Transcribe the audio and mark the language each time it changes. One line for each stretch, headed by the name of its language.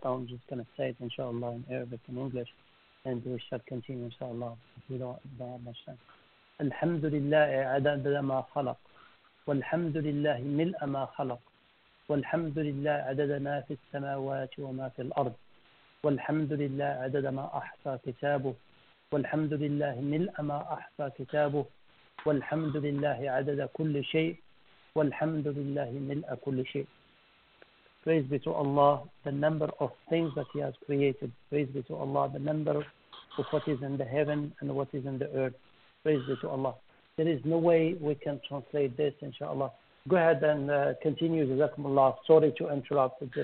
English: I'm just going to say it, inshallah, in Arabic and English. And we shall continue, inshallah. We don't have much time.
Arabic: الحمد لله عدد ما خلق والحمد لله ملء ما خلق والحمد لله عدد ما في السماوات وما في الأرض والحمد لله عدد ما أحصى كتابه والحمد لله ملء ما أحصى كتابه والحمد لله عدد كل شيء والحمد لله ملء كل شيء.
English: Praise be to Allah, the number of things that He has created. Praise be to Allah, the number of what is in the heaven and what is in the earth. Praise be to Allah. There is no way we can translate this, inshallah. Go ahead and continue. Jazakumullah. Sorry to interrupt.